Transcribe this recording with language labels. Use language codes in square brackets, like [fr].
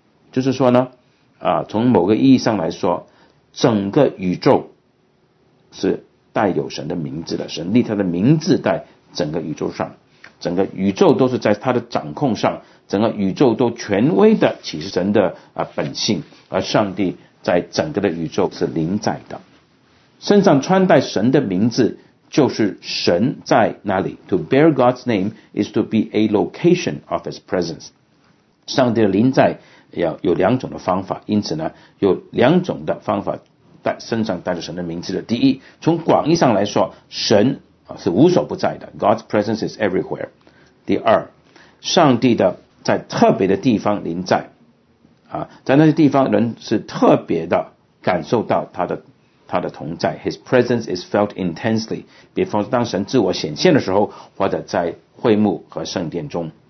[zh] 就是说呢从某个意义上来说，整个宇宙是带有神的名字的，神立他的名字在整个宇宙上，整个宇宙都是在他的掌控上，整个宇宙都权威的启示神的本性，而上帝在整个的宇宙是临在的，身上穿戴神的名字就是神在那里。 [en] To bear God's name is to be a location of his presence。 [zh] 上帝的临在要有两种的方法，因此呢有两种的方法带身上带着神的名字的。第一，从广义上来说，神是无所不在的， [en] God's presence is everywhere。 [zh] 第二，上帝的在特别的地方临在在那些地方人是特别的感受到他的同在， [en] His presence is felt intensely， [zh] 比方说当神自我显现的时候，或者在会幕和圣殿中。